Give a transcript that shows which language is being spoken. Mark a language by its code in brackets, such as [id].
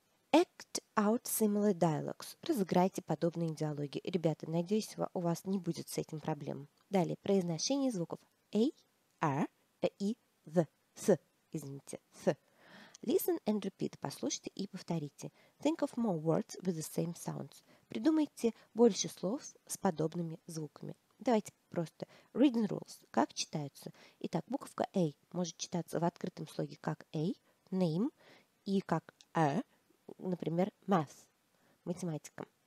[en] Act out similar dialogues. [ru] Разыграйте подобные диалоги. Ребята, надеюсь, у вас не будет с этим проблем. Далее, произношение звуков. [en] A, R, E, V, S. Извините, S. Listen and repeat. [ru] Послушайте и повторите. [en] Think of more words with the same sounds. [ru] Придумайте больше слов с подобными звуками. Давайте просто. Reading rules. Как читаются? Итак, буковка A может читаться в открытом слоге как A, name, и как A, например, math, математика.